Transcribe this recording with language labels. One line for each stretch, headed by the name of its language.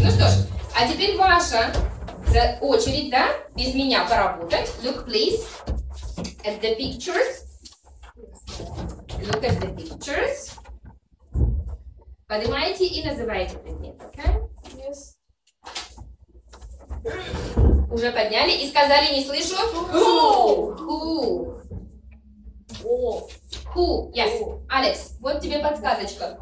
Russian: Ну что ж, а теперь ваша очередь, да, без меня поработать.
English: Look, please, at the pictures. Look at the pictures.
Russian: Поднимаете и называете предмет, okay?
English: Yes.
Russian: Уже подняли и сказали, не слышу.
English: Who? Who? Who? Who? Yes.
Russian: Алекс, вот тебе подсказочка.